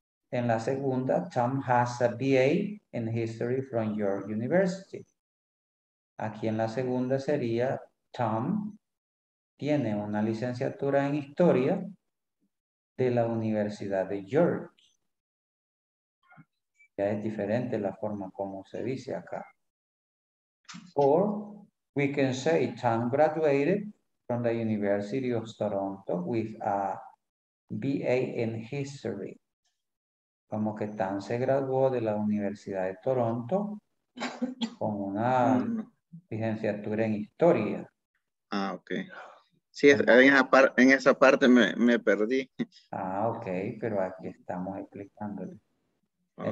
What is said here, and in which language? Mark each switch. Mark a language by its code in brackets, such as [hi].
[es] En la segunda, [en] Tom has a BA in history from your university. [es] Aquí en la segunda sería, Tom tiene una licenciatura en historia de la Universidad de York. Ya es diferente la forma como se dice acá. [en] Or, we can say Tom graduated from the University of Toronto with a BA in history. [es] Como que Tan se graduó de la Universidad de Toronto con una licenciatura en historia. Ah, ok. Sí, en esa parte me perdí. Ah, ok, pero aquí estamos explicándole. Okay.